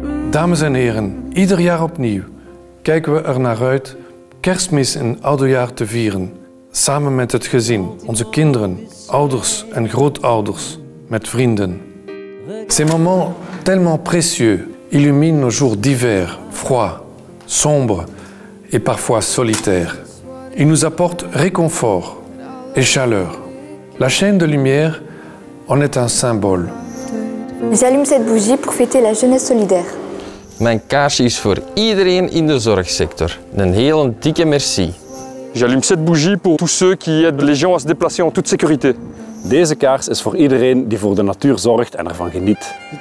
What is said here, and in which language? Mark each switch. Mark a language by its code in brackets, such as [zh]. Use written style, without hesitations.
[nl] Dames en heren, ieder jaar opnieuw kijken we er naar uit kerstmis en oudejaar te vieren. Samen met het gezin, onze kinderen, ouders en grootouders, met vrienden. [fr] Ces moments tellement précieux illuminent nos jours d'hiver, froid, sombre et parfois solitaire. Ils nous apportent réconfort et chaleur. La chaîne de lumière en est un symbole. J'allume cette bougie pour fêter la jeunesse solidaire. [nl] Mijn kaarsje is voor iedereen in de zorgsector. Een hele dikke merci. [fr] J'allume cette bougie pour tous ceux qui aident les gens à se déplacer en toute sécurité. [nl] Deze kaars is voor iedereen die voor de natuur zorgt en ervan geniet.